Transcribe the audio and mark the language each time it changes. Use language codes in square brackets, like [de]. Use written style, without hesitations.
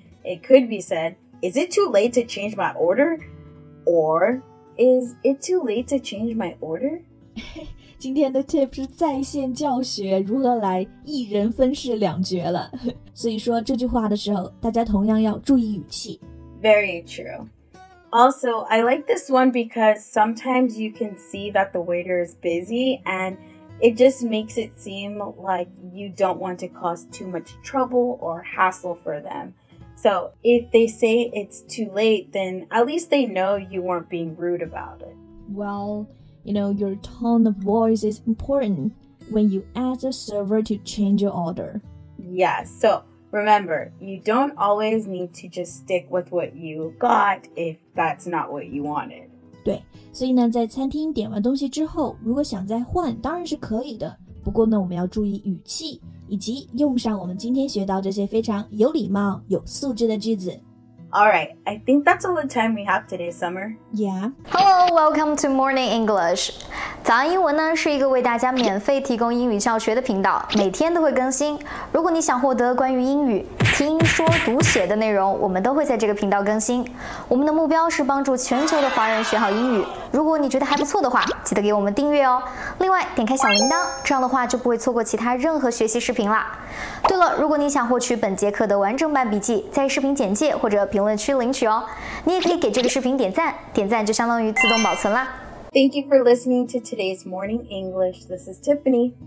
[en] It could be said, is it too late to change my order? Or, is it too late to change my order? [zh] 今天的 tip 是在线教学如何来一人分饰两角了所以说这句话的时候大家同样要注意语气 [en] Very true Also, I like this one because sometimes you can see that the waiter is busy and it just makes it seem like you don't want to cause too much trouble or hassle for them So, if they say it's too late then at least they know you weren't being rude about it WellYou know, your tone of voice is important when you ask a server to change your order. Yeah, so remember, you don't always need to just stick with what you got if that's not what you wanted. [zh] 对，所以呢，在餐厅点完东西之后，如果想再换，当然是可以的。不过呢，我们要注意语气，以及用上我们今天学到这些非常有礼貌、有素质的句子。 [en] Alright, I think that's all the time we have today, Summer. Yeah. Hello, welcome to Morning English. [zh] 早安英文呢是一个为大家免费提供英语教学的频道，每天都会更新。如果你想获得关于英语听说读写的内容，我们都会在这个频道更新。我们的目标是帮助全球的华人学好英语。如果你觉得还不错的话，记得给我们订阅哦。另外，点开小铃铛，这样的话就不会错过其他任何学习视频啦。对了，如果你想获取本节课的完整版笔记，在视频简介或者评论区领取哦。你也可以给这个视频点赞，点赞就相当于自动保存啦。 [en] Thank you for listening to today's Morning English. This is Tiffany.